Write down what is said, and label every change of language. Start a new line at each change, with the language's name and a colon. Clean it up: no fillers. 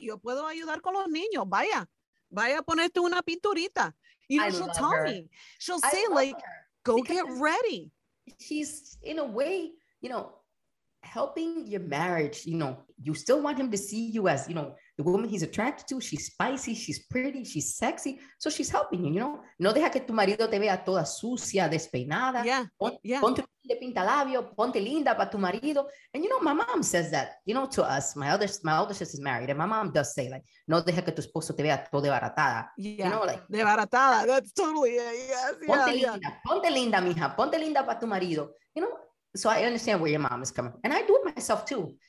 Spanish: Yo puedo ayudar con los niños. Vaya a ponerte una pinturita.
English: You know, she'll tell me, she'll say like, go get ready. She's in a way, you know, helping your marriage. You know, you still want him to see you as, you know, the woman he's attracted to. She's spicy. She's pretty. She's sexy. So she's helping you, you know.
Spanish: No deja que tu marido te vea toda sucia, despeinada.
English: Yeah.
Spanish: Ponte pintalabio, ponte linda para tu marido.
English: And, you know, my mom says that, you know, to us. My older sister is married. And my mom does say, like,
Spanish: no deja que tu esposo te vea toda debaratada.
English: Yeah. You know, like. Debaratada. That's totally it. Yes.
Spanish: Ponte linda, mija. Ponte linda para tu marido.
English: You know, so I understand where your mom is coming. And I do it myself, too.